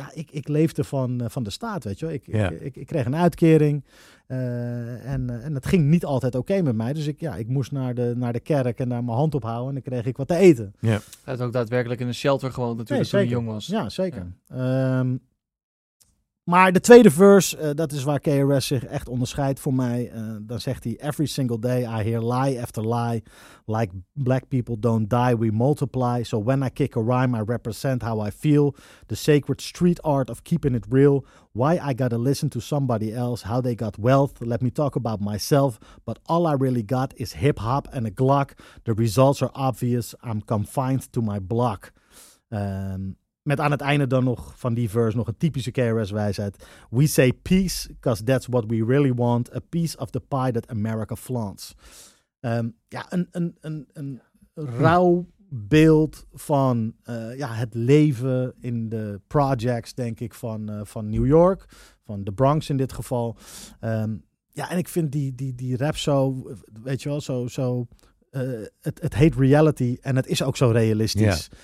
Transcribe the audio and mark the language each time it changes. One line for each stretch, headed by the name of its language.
Dutch: Ik leefde van de staat, weet je wel. Ik kreeg een uitkering en het ging niet altijd oké met mij. Dus ik moest naar de kerk en daar mijn hand op houden en dan kreeg ik wat te eten. Ja. Hij had ook daadwerkelijk in een shelter gewoond natuurlijk, toen hij jong was. Ja, zeker. Ja. Maar de tweede verse, dat is waar KRS zich echt onderscheidt voor mij. Dan zegt hij,
English: every single day I hear lie after lie. Like black people don't die, we multiply. So when I kick a rhyme, I represent how I feel. The sacred street art of keeping it real. Why I gotta listen to somebody else, how they got wealth. Let me talk about myself. But all I really got is hip hop and a Glock. The results are obvious, I'm confined to my block.
Dutch: Met aan het einde dan nog van die verse nog een typische KRS-wijsheid.
English: We say peace, because that's what we really want. A piece of the pie that America flaunts.
Dutch: Een rauw beeld van het leven in de projects, denk ik, van New York. Van de Bronx in dit geval. En ik vind die rap zo, weet je wel, zo het heet reality en het is ook zo realistisch.